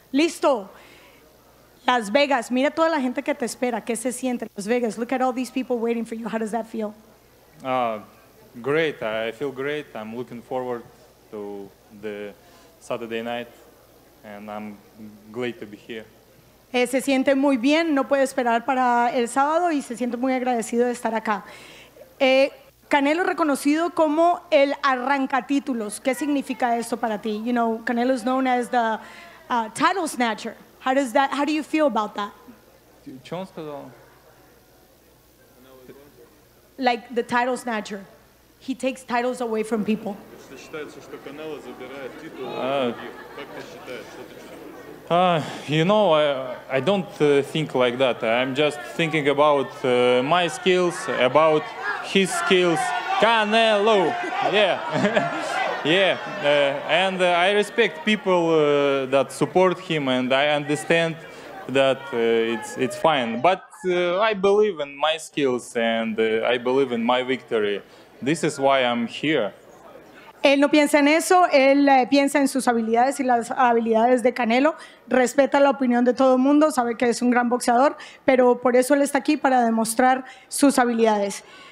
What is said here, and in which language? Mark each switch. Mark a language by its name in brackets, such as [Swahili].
[Spanish] Listo. Las Vegas. Mira toda la gente que te espera. ¿Qué se siente? Las Vegas. [English] Look at all these people waiting for you. How does that feel? Great. I feel great. I'm looking forward to the Saturday night, and I'm glad to be here. [Spanish] Se siente muy bien, no puede esperar para el sábado y se siente muy agradecido de estar acá. Canelo reconocido como el arrancatítulos. ¿Qué significa esto para ti? [English] You know, Canelo is known as the title snatcher. How do you feel about that? ¿Chon сказал? Like the title snatcher. He takes titles away from people. [Russian] Если считается, что Канело забирает титул, как ты считаешь? [English] I don't think like that. I'm just thinking about my skills, about his skills. Canelo! Yeah. Yeah. I respect people that support him, and I understand that it's fine. But I believe in my skills, and I believe in my victory. This is why I'm here. [Spanish] Él no piensa en eso, él piensa en sus habilidades y las habilidades de Canelo. Respeta la opinión de todo el mundo, sabe que es un gran boxeador, pero por eso él está aquí, para demostrar sus habilidades.